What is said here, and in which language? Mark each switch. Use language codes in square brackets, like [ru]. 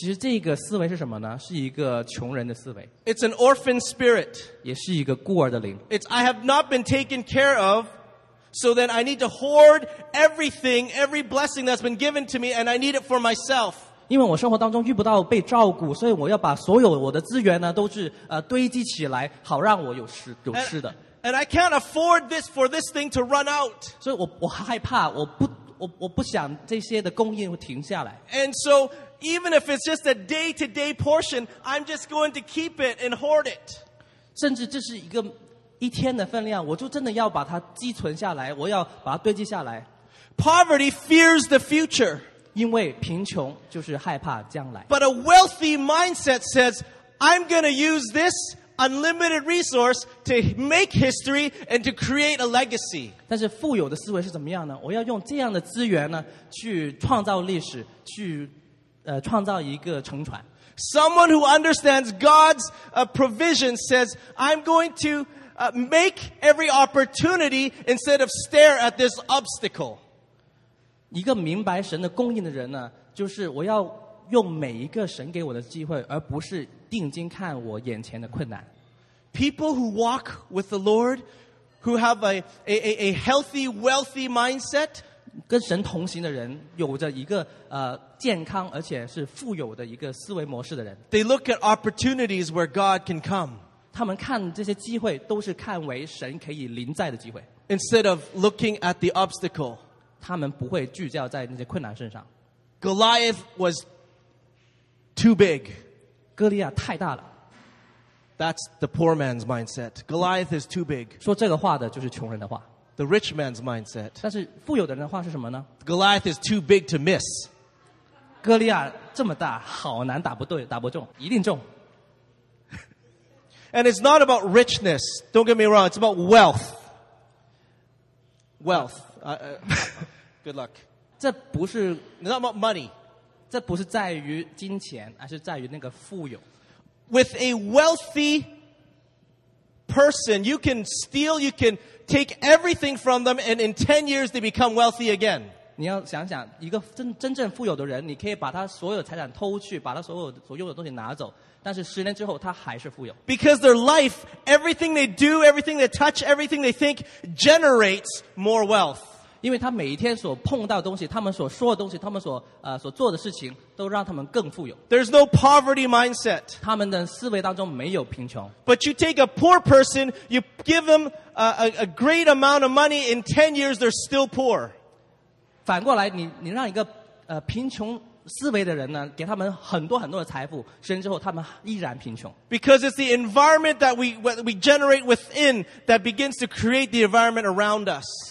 [zh] 但是如果你是不想雨降下来，其实这个思维是什么呢？是一个穷人的思维。 [en] It's an orphan spirit. [zh] 也是一个孤儿的灵。 [en] It's I have not been taken care of, so then I need to hoard everything, every blessing that's been given to me, and I need it for myself. [zh] 因为我生活当中遇不到被照顾，所以我要把所有我的资源呢，都是堆积起来，好让我有吃的。 [en] And I can't afford this for this thing to run out. [zh] 所以我害怕，我不想这些的供应停下来。 [en] And so even if it's just a day-to-day portion, I'm just going to keep it and hoard it. [zh] 甚至这是一个一天的分量，我就真的要把它积存下来，我要把它堆积下来。 [en] Poverty fears the future. [zh] 因为贫穷就是害怕将来。 [en] But a wealthy mindset says, "I'm going to use this. unlimited resource to make history and to create a legacy. [zh] 但是富有的思维是怎么样呢?我要用这样的资源呢, 去创造历史, 去, 创造一个成传。 [en] Someone who understands God's provision says, I'm going to make every opportunity instead of stare at this obstacle. [zh] 一个明白神的供应的人呢, 就是我要用每一个神给我的机会, 而不是定睛看我眼前的困难。 [en] People who walk with the Lord, who have a healthy, wealthy mindset, [zh] 跟神同行的人, 有着一个, 健康而且是富有的一个思维模式的人, [en] they look at opportunities where God can come. [zh] 他们看这些机会, 都是看为神可以临在的机会。 [en] Instead of looking at the obstacle, [zh] 他们不会聚焦在那些困难身上。 [en] Goliath was too big. [zh] 哥利亚太大了。 [en] That's the poor man's mindset. Goliath is too big. [zh] 说这个话的就是穷人的话。 [en] The rich man's mindset. [zh] 但是富有的人的话是什么呢? [en] Goliath is too big to miss. [zh] 哥利亚这么大,好难打不对,打不中,一定中。 [en] And it's not about richness. Don't get me wrong, it's about wealth. Wealth. Good luck. [zh] 这不是, [en] it's not about money. [zh] 这不是在于金钱, 而是在于那个富有。 [en] With a wealthy person, you can steal, you can take everything from them, and in 10 years they become wealthy again. [zh] 你要想想, 一个真正富有的人, 你可以把他所有财产偷去, 把他所有的东西拿走, 但是10年之后他还是富有。 [en] Because their life, everything they do, everything they touch, everything they think, generates more wealth. [zh] 因为他每一天所碰到的东西, 他们所说的东西, 他们所, 所做的事情, 都让他们更富有。 [en] There's no poverty mindset. [zh] 他们的思维当中没有贫穷。 [en] But you take a poor person, you give them a great amount of money, in 10 years they're still poor. [zh] 反过来, 你让一个, 贫穷思维的人呢, 给他们很多很多的财富, 10年之后他们依然贫穷。 [en] Because it's the environment that we generate within that begins to create the environment around us.